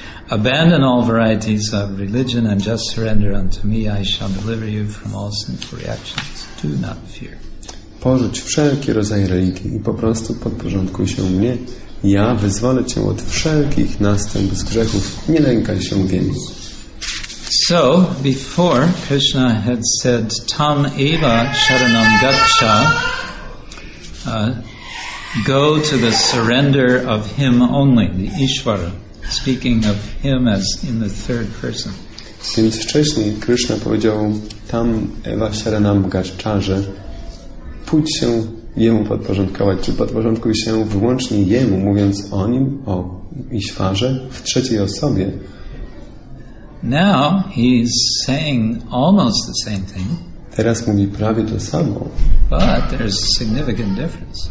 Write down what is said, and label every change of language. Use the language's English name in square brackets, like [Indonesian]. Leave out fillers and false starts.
[English] Abandon all varieties of religion and just surrender unto me. I shall deliver you from all sinful reactions. Do not fear. [Polish] Porzuć wszelkie rodzaje religii i po prostu podporządkuj się mnie. Ja wyzwolę cię od wszelkich następstw z grzechów. Nie lękaj się więc. [English] So, before Krishna had said, [Sanskrit] Tam eva sharanam gacha, [English] go to the surrender of him only, the Ishvara. Speaking of him as in the third person. [Polish] Więc wcześniej Krishna powiedział [Sanskrit] tam Eva Sharanam Gacchaże, [Polish] pójdź się jemu podporządkować, czy podporządkuj się wyłącznie jemu, mówiąc o nim, o Ishwarze, w trzeciej osobie. [English] Now he's saying almost the same thing. [Polish] Teraz mówi prawie to samo. [English] But there's a significant difference.